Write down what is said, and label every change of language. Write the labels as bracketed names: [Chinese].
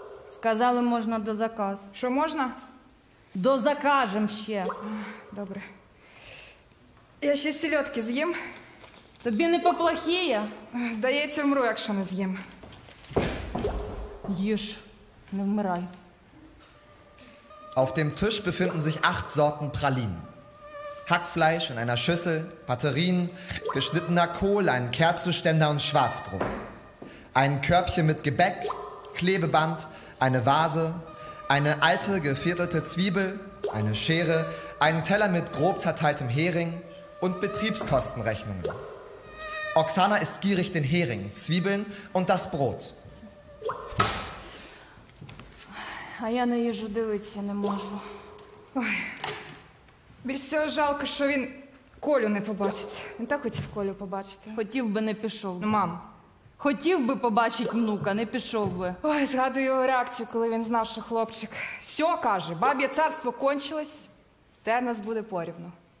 [Ukrainian] Сказали, можна до заказ. Що, можна? До закажем ще. Добре. Я ще сільодки з'їм. Тобі не поплохіє? Здається, вмру, якщо не з'їм. Їж, не вмирай. [German] Auf dem Tisch befinden sich 8 Sorten Pralinen. Hackfleisch in einer Schüssel, Batterien, geschnittener Kohl, ein Kerzenständer und Schwarzbrot. Ein Körbchen mit Gebäck, Klebeband, eine Vase, eine alte geviertelte Zwiebel, eine Schere, einen Teller mit grob zerteiltem Hering und Betriebskostenrechnungen. Oksana isst gierig den Hering, Zwiebeln und das Brot. [Ukrainian] А я на їжу дивитися не можу. Ой, більш цього жалко, що він Колю не побачить. Він так хотів Колю побачити. Хотів би, не пішов би. Мам, хотів би побачити внука, не пішов би. Ой, згадую його реакцію, коли він знав, що хлопчик. Все, каже, баб'є царство кончилось, те нас буде порівну.